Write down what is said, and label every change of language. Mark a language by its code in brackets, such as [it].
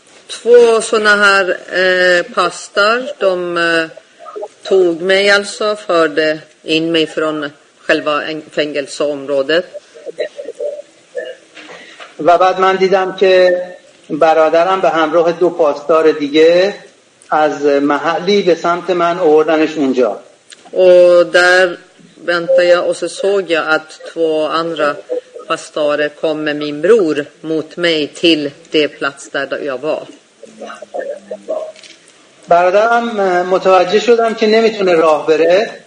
[sv] två såna här pastor de tog mig alltså förde in mig från själva fängelseområdet. [fa] و بعد من دیدم که برادرم به همراه دو پاسدار دیگه از محلی به سمت من آوردنش اونجا. [sv] و در väntade jag och så såg jag att två andra pastorer kom med min bror mot mig till det plats där jag var. [fa] برادرم متوجه شدم که نمیتونه راه بره.